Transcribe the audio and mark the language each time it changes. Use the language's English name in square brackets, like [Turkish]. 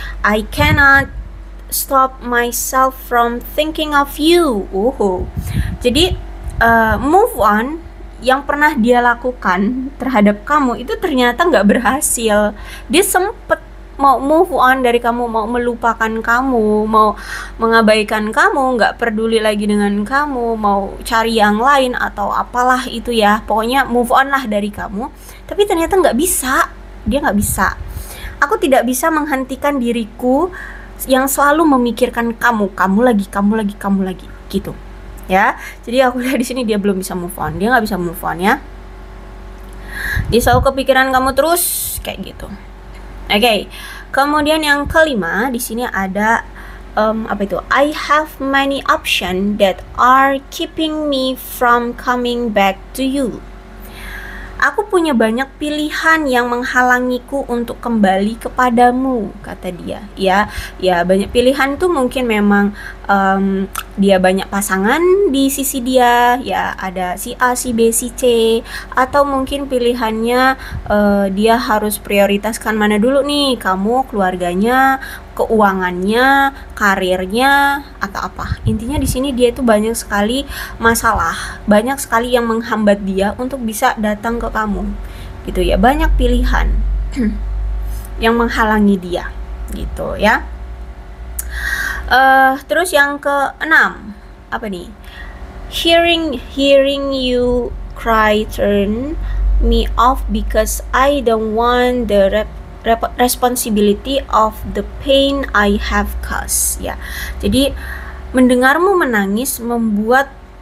[English] I cannot stop myself from thinking of you. [Indonesian] Jadi move on yang pernah dia lakukan terhadap kamu itu ternyata nggak berhasil. Dia sempet mau move on dari kamu, mau melupakan kamu, mau mengabaikan kamu, nggak peduli lagi dengan kamu, mau cari yang lain atau apalah itu ya, pokoknya move on lah dari kamu. Tapi ternyata nggak bisa, dia nggak bisa. Aku tidak bisa menghentikan diriku yang selalu memikirkan kamu, kamu lagi, kamu lagi, kamu lagi gitu. Ya, jadi aku lihat di sini dia belum bisa move on, dia nggak bisa move on ya. Dia selalu kepikiran kamu terus kayak gitu. Oke, okay. Kemudian yang kelima di sini ada apa itu? [English] I have many options that are keeping me from coming back to you. [Indonesian] Aku punya banyak pilihan yang menghalangiku untuk kembali kepadamu, kata dia. Ya, ya banyak pilihan tuh mungkin memang dia banyak pasangan di sisi dia. Ya, ada si A, si B, si C. Atau mungkin pilihannya dia harus prioritaskan mana dulu nih, kamu, keluarganya, keuangannya, karirnya, atau apa. Intinya di sini dia itu banyak sekali masalah, banyak sekali yang menghambat dia untuk bisa datang ke kamu. Gitu ya, banyak pilihan yang menghalangi dia. Gitu ya. Terus yang keenam, apa nih? [English] Hearing you cry turn me off because I don't want the responsibility of the pain I have caused ya. [Indonesian] Jadi mendengarmu menangis membuat